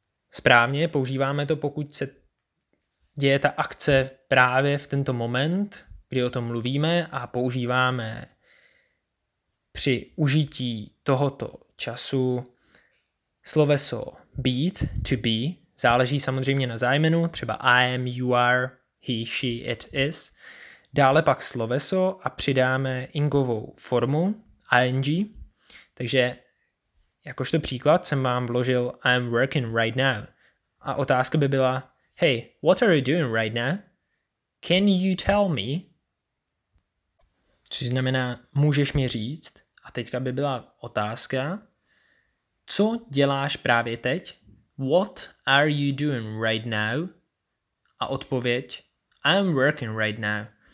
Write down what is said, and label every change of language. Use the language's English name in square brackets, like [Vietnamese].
[Czech] Správně, používáme to, pokud se děje ta akce právě v tento moment, kdy o tom mluvíme a používáme při užití tohoto času sloveso být, [English] to be, [Czech] záleží samozřejmě na zájmenu, třeba [English] I am, you are, he, she, it is. [Czech] Dále pak sloveso a přidáme ingovou formu, ing. Takže jakožto příklad jsem vám vložil [English] I am working right now. [Czech] A otázka by byla, [English] hey, what are you doing right now? Can you tell me? [Czech] Což znamená, můžeš mi říct. A teďka by byla otázka, co děláš právě teď? [English] What are you doing right now? [Czech] A odpověď, [English] I am working right now.